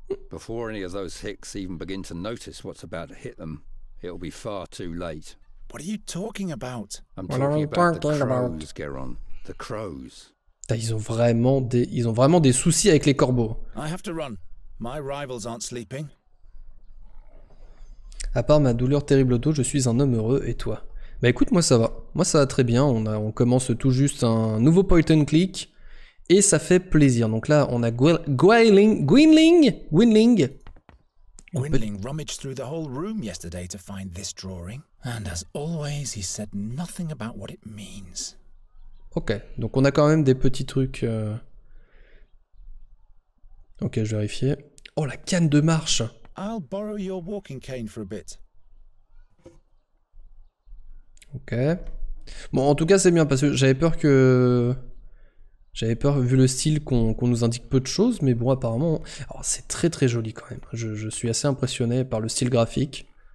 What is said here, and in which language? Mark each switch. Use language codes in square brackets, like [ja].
[en] Before any of those hicks even begin to notice what's about to hit them, it'll be far too late. What are you talking about? I'm talking about the crows, Geron. The crows. [fr] Ils ont vraiment des soucis avec les corbeaux. [en] I have to run. My rivals aren't sleeping. [fr] À part ma douleur terrible au dos, je suis un homme heureux, et toi? Bah écoute, moi ça va. Moi ça va très bien. On commence tout juste un nouveau point and click. Et ça fait plaisir. Donc là, on a Gwynling. [en] Gwynling rummaged through the whole room yesterday to find this drawing. And as always, he said nothing about what it means. [fr] Ok, donc on a quand même des petits trucs. Ok, je vérifie. Oh, la canne de marche. [en] I'll borrow your walking cane for a bit. Ok. [fr] Bon, en tout cas, c'est bien parce que j'avais peur que. J'avais peur, vu le style, qu'on nous indique peu de choses, mais bon, apparemment. Alors, c'est très très joli quand même. Je suis assez impressionné par le style graphique.